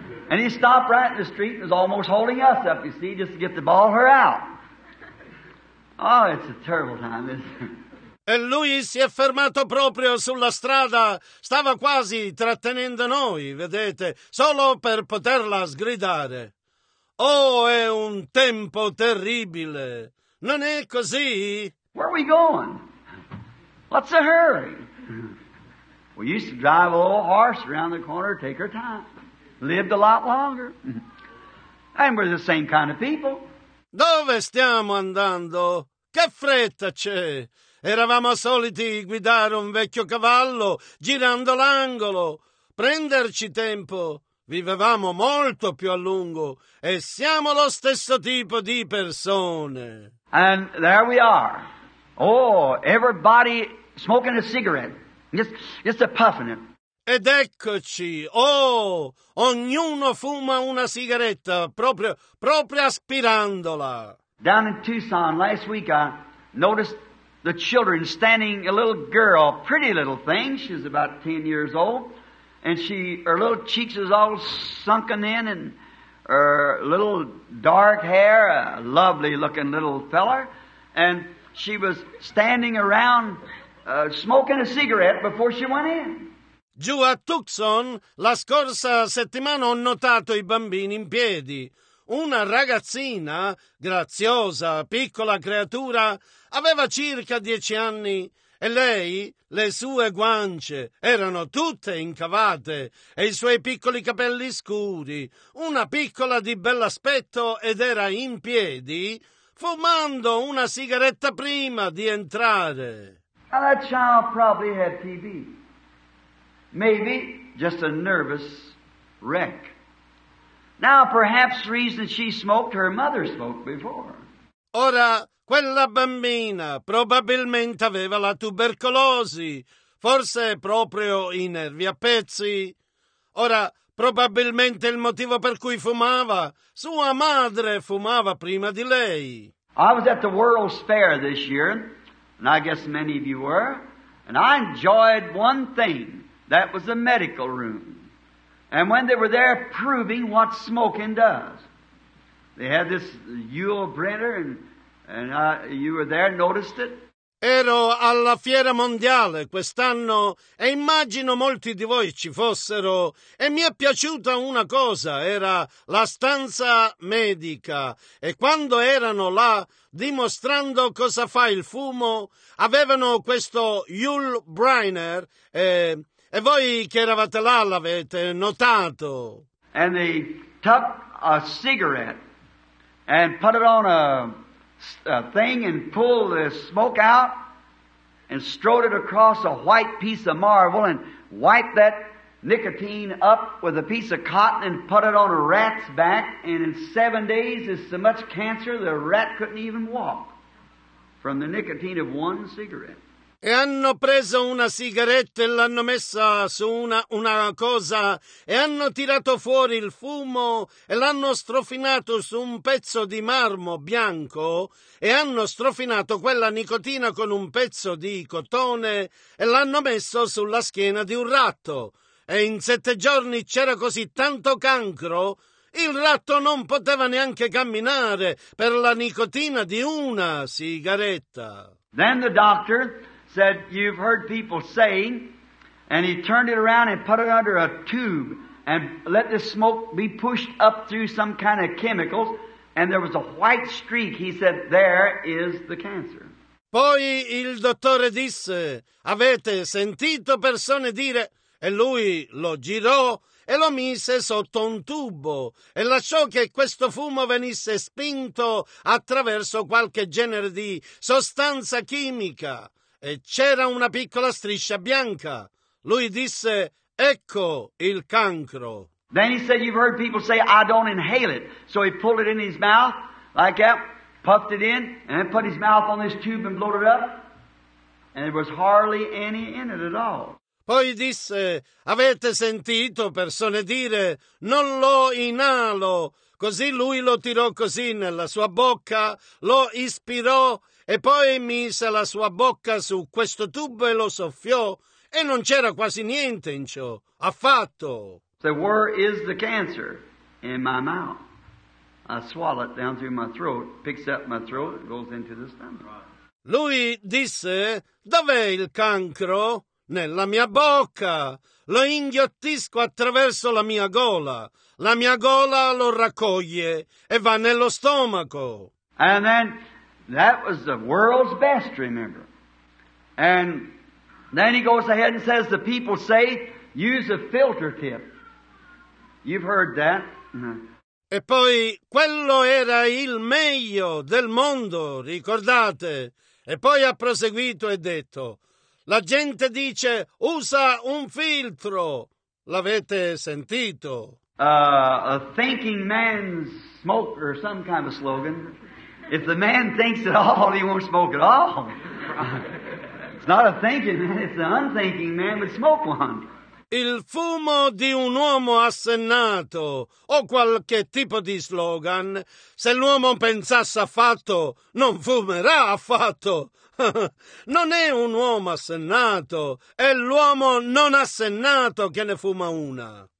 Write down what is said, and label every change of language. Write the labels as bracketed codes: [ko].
[en] And he stopped right in the street and was almost holding us up, you see, just to get the ball her out. Oh, it's a terrible time, isn't it? [it] E lui si è fermato proprio sulla strada, stava quasi trattenendo noi, vedete, solo per poterla sgridare. Oh, è un tempo terribile. Non è così? [en] Where are we going? What's the hurry? We used to drive a little horse around the corner, take our time. Lived a lot longer. And we're the same kind of people. [it] Dove stiamo andando? Che fretta c'è? Eravamo soliti guidare un vecchio cavallo, girando l'angolo. Prenderci tempo. Vivevamo molto più a lungo. E siamo lo stesso tipo di persone. [en] And there we are. Oh, everybody smoking a cigarette. Just a puffing it. [it] Ed eccoci, oh, ognuno fuma una sigaretta, proprio aspirandola. [en] Down in Tucson last week I noticed the children standing, a little girl, pretty little thing, she's about 10 years old, and she, her little cheeks is all sunken in, and her little dark hair, a lovely looking little fella, and she was standing around... smoking a cigarette before she went in. [it] Giù a Tucson, la scorsa settimana ho notato i bambini in piedi. Una ragazzina, graziosa, piccola creatura, aveva circa 10 anni e lei, le sue guance, erano tutte incavate e i suoi piccoli capelli scuri. Una piccola di bell'aspetto ed era in piedi, fumando una sigaretta prima di entrare. [en] Now that child probably had TB. Maybe just a nervous wreck. Now perhaps the reason she smoked, her mother smoked before. [it] Ora, quella bambina probabilmente aveva la tubercolosi. Forse proprio i nervi a pezzi. Ora, probabilmente il motivo per cui fumava. Sua madre fumava prima di lei. [en] I was at the World's Fair this year. And I guess many of you were. And I enjoyed one thing. That was the medical room. And when they were there proving what smoking does. They had this Yul Brynner and you were there, noticed it. [it] Ero alla Fiera Mondiale quest'anno e immagino molti di voi ci fossero. E mi è piaciuta una cosa, era la stanza medica. E quando erano là, dimostrando cosa fa il fumo, avevano questo Yul Brynner. E voi che eravate là l'avete notato. [en] And they took a cigarette and put it on a thing and pull the smoke out and strode it across a white piece of marble and wiped that nicotine up with a piece of cotton and put it on a rat's back, and in 7 days is so much cancer the rat couldn't even walk from the nicotine of one cigarette. [it] E hanno preso una sigaretta e l'hanno messa su una cosa e hanno tirato fuori il fumo e l'hanno strofinato su un pezzo di marmo bianco e hanno strofinato quella nicotina con un pezzo di cotone e l'hanno messo sulla schiena di un ratto. E in 7 giorni c'era così tanto cancro, il ratto non poteva neanche camminare per la nicotina di una sigaretta. [en] Then the doctor... said, you've heard people say, and he turned it around and put it under a tube, and let the smoke be pushed up through some kind of chemicals, and there was a white streak. He said, there is the cancer. [it] Poi il dottore disse, avete sentito persone dire, e lui lo girò e lo mise sotto un tubo e lasciò che questo fumo venisse spinto attraverso qualche genere di sostanza chimica. E c'era una piccola striscia bianca. Lui disse, ecco il cancro. [en] Then he said, you've heard people say, I don't inhale it. So he pulled it in his mouth, like that, puffed it in, and then put his mouth on this tube and blew it up. And there was hardly any in it at all. [it] Poi disse, avete sentito persone dire, non lo inalo. Così lui lo tirò così nella sua bocca, lo ispirò e poi mise la sua bocca su questo tubo e lo soffiò e non c'era quasi niente in ciò, affatto. [en] So where is the cancer? In my mouth. I swallow it down through my throat, picks up my throat, goes into the stomach. [it] Lui disse, dov'è il cancro? Nella mia bocca, lo inghiottisco attraverso la mia gola lo raccoglie e va nello stomaco. [en] And then, that was the world's best, remember. And then he goes ahead and says, the people say, use a filter tip. You've heard that. [it] E poi, quello era il meglio del mondo, ricordate? E poi ha proseguito e detto, la gente dice, usa un filtro. L'avete sentito? [en] A thinking man's smoke or some kind of slogan. If the man thinks at all, he won't smoke at all. It's not a thinking man, it's an unthinking man would smoke one. [it] Il fumo di un uomo assennato o qualche tipo di slogan, se l'uomo pensasse affatto, non fumerà affatto. Non è un uomo assennato, è l'uomo non assennato che ne fuma una.